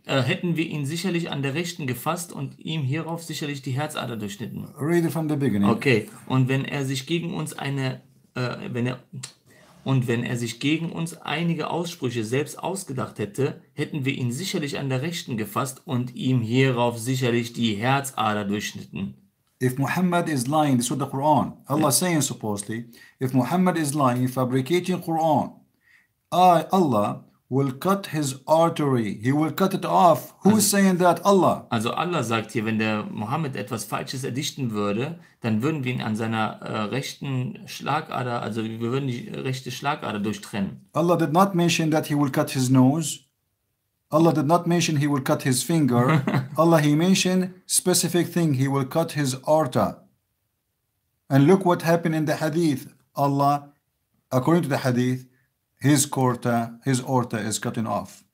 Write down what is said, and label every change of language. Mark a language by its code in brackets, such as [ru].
[de] Hätten wir ihn sicherlich an der Rechten gefasst und ihm hierauf sicherlich die Herzader durchschnitten. [en] Read it from the beginning. Okay. [de] Und wenn er sich gegen uns einige Aussprüche selbst ausgedacht hätte, hätten wir ihn sicherlich an der Rechten gefasst und ihm hierauf sicherlich die Herzader durchschnitten. [en] If Muhammad is lying, this is what the Quran, Allah is saying supposedly, if Muhammad is lying, fabricating Quran, Allah will cut his artery, he will cut it off. Who is saying that? Allah. [de] Also Allah sagt hier, wenn der Muhammad etwas Falsches erdichten würde, dann würden wir ihn an seiner rechten Schlagader, also wir würden die rechte Schlagader durchtrennen. [en] Allah did not mention that he will cut his nose. Allah did not mention he will cut his finger. Allah, he mentioned specific thing. He will cut his arta. And look what happened in the hadith. Allah, according to the hadith, his arta is cutting off.